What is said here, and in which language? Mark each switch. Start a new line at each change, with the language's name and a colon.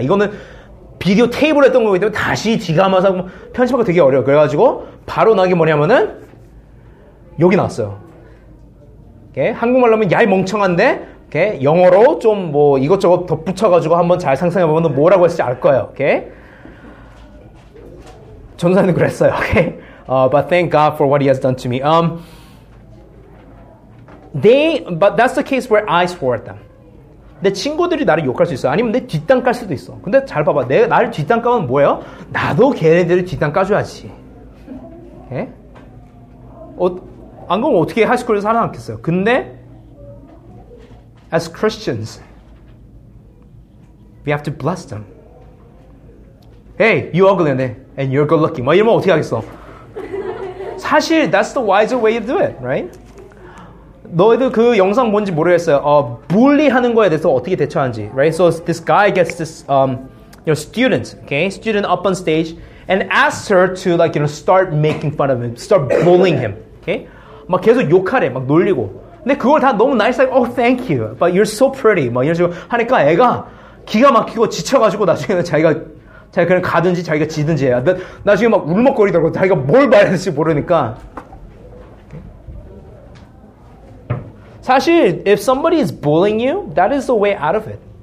Korean: 이거는 비디오 테이블 했던 거기 때문에 다시 지감하면서 뭐 편집하고 되게 어려워. 그래가지고 바로 나온 게 뭐냐면은 욕이 나왔어요. Okay? 한국말로 하면 야이 멍청한데 Okay? 영어로 좀 뭐 이것저것 덧붙여가지고 한번 잘 상상해보면 너 뭐라고 했을지 알 거예요.
English: Okay?
Korean: 전사는 그랬어요. Okay?
English: But thank God for what he has done to me. But that's the case where I swore at them.
Korean: 내 친구들이 나를 욕할 수 있어. 아니면 내 뒷담 깔 수도 있어. 근데 잘 봐봐. 나를 뒷담 까면 뭐예요? 나도 걔네들을 뒷담 까줘야지.
English: Okay?
Korean: 안 그러면 어떻게 하이스쿨에서 살아남겠어요.
English: 근데 As Christians, we have to bless them. Hey, you ugly, and you're good looking.
Korean: 뭐 이러면 어떻게 하겠어?
English: 사실, that's the wiser way to do it, right?
Korean: 너희들 그 영상 뭔지 모르겠어요.
English: Bully
Korean: 하는 거에 대해서 어떻게 대처하는지,
English: right? So this guy gets this, student, okay? Student up on stage and asks her to, like, you know, start making fun of him, start bullying him, okay?
Korean: 막 계속 욕하래, 막 놀리고. 근데 그걸 다 너무
English: nice, like, oh, thank you. But you're so pretty.
Korean: 막 이런 식으로 하니까 애가 기가 막히고 지쳐가지고 나중에는 자기가 그냥 가든지 자기가 지든지 해야. 나중에 막 울먹거리더라고. 자기가 뭘 말해야 될지 모르니까.
English: 사실, if somebody is bullying you, that is the way out of it.